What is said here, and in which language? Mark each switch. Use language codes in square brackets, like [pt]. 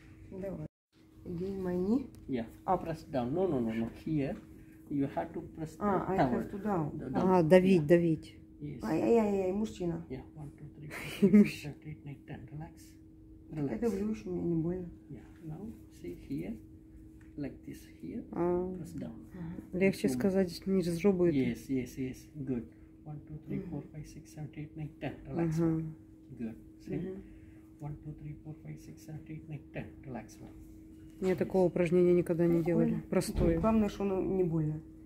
[ru] Давай. [en] Give my knee. Yeah. Up. Press down. No, no, no, no. Here. You have to press down. I have to down. Down. [ru] А, давить, [en] yeah. [ru] Давить. [en] Yes. [ru] Ай-яй-яй-яй, мужчина. [en] Yeah. 1, 2, 3, 4, 5, 6, 7, 8, 9, 10. Relax. [ru] Это в лучшем мне не больно. [en] Yeah. Now, see here, like this here, press down. [ru] Легче сказать, не разрубует. [en] Yes, yes, yes, good. 1, 2, 3, 4, 5, 6, 7, 8, 9, 10. Relax. Mm-hmm. Good. See? Mm-hmm. 1, 2, 3, 4, 5, 6, 7, 8, 9, 10. Relax. [ru] Мне такого упражнения никогда не делали. Простое. Главное, что оно не больно.